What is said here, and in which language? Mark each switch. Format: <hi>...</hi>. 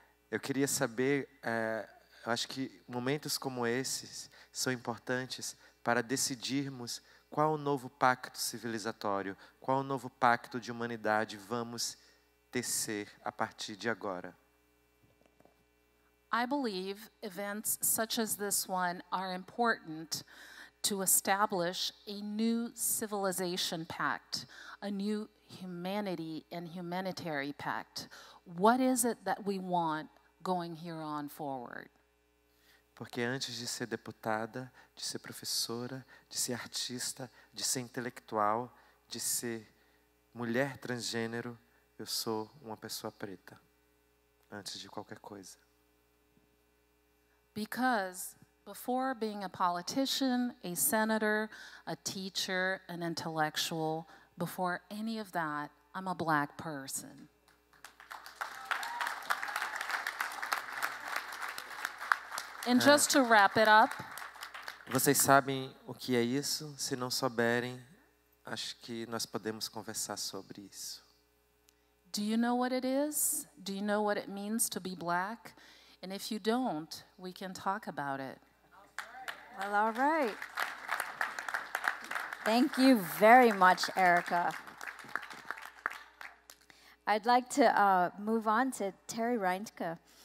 <pt>Eu queria saber, eu acho que momentos como esses são importantes para decidirmos qual o novo pacto civilizatório, qual o novo pacto de humanidade vamos tecer a partir de agora.</pt> <en>I believe events such as this one are important to establish a new civilization pact, a new humanity and humanitarian pact. What is it that we want going here on forward.</en> <pt>Porque antes de ser deputada, de ser professora, de ser artista, de ser intelectual, de ser mulher transgênero, eu sou uma pessoa preta. Antes de qualquer coisa.</pt> <en>Because before being a politician, a senator, a teacher, an intellectual, before any of that, I'm a black person. And just to wrap it up.</en> <pt>Vocês sabem o que é isso? Se não souberem, acho que nós podemos conversar sobre isso.</pt> <en>Do you know what it is? Do you know what it means to be black? And if you don't, we can talk about it. Well, all right. Thank you very much, Érica. I'd like to move on to Terry Reintke.</en>